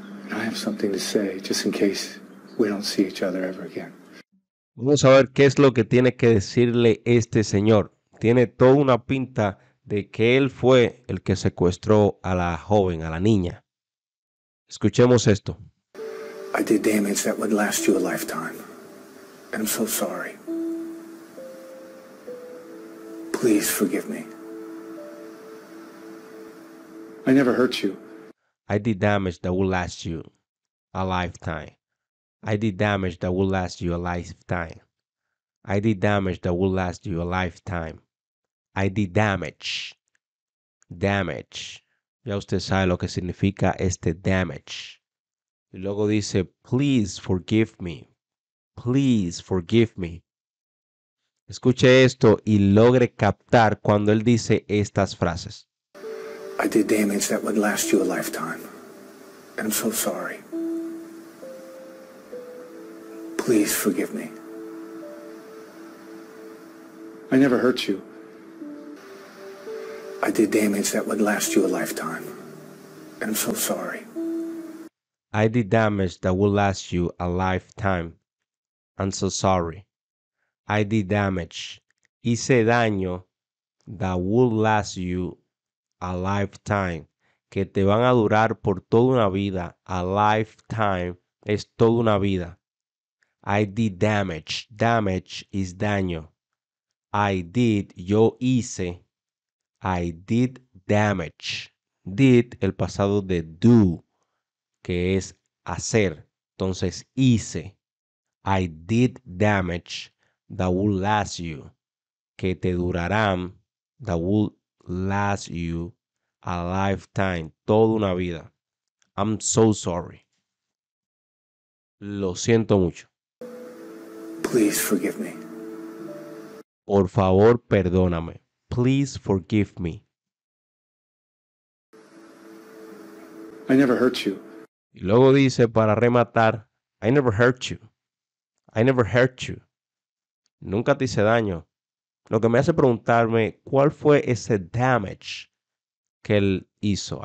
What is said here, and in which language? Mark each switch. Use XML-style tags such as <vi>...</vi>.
<en>I have something to say, just in case we don't see each other ever again.</en> <es>Vamos a ver qué es lo que tiene que decirle este señor. Tiene toda una pinta de que él fue el que secuestró a la joven, a la niña. Escuchemos esto.</es> <en>I did damage that would last you a lifetime. And I'm so sorry. Please forgive me. I never hurt you. I did damage that would last you a lifetime. I did damage that would last you a lifetime. I did damage that would last you a lifetime. I did damage. Damage.</en> <es>Ya usted sabe lo que significa este damage. Y luego dice,</es> <en>please forgive me. Please forgive me.</en> <es>Escuche esto y logre captar cuando él dice estas frases.</es> <en>I did damage that would last you a lifetime. And I'm so sorry. Please forgive me. I never hurt you. I did damage that would last you a lifetime. And I'm so sorry. I did damage that would last you a lifetime. I'm so sorry. I did damage.</en> <es>Hice daño</es> <en>that would last you a lifetime.</en> <es>Que te van a durar por toda una vida.</es> <en>A lifetime</en> <es>es toda una vida.</es> <en>I did damage. Damage is daño. I did,</en> <es>yo hice.</es> <en>I did damage.</en> <es>Did, el pasado de do, que es hacer. Entonces, hice.</es> <en>I did damage that will last you.</en> <es>Que te durarán,</es> <en>that will last you a lifetime.</en> <es>Toda una vida.</es> <en>I'm so sorry.</en> <es>Lo siento mucho.</es> <en>Please forgive me.</en> <es>Por favor, perdóname.</es> <en>Please forgive me. I never hurt you.</en> <es>Y luego dice, para rematar,</es> <en>I never hurt you. I never hurt you.</en> <es>Nunca te hice daño. Lo que me hace preguntarme, ¿cuál fue ese damage que él hizo?</es>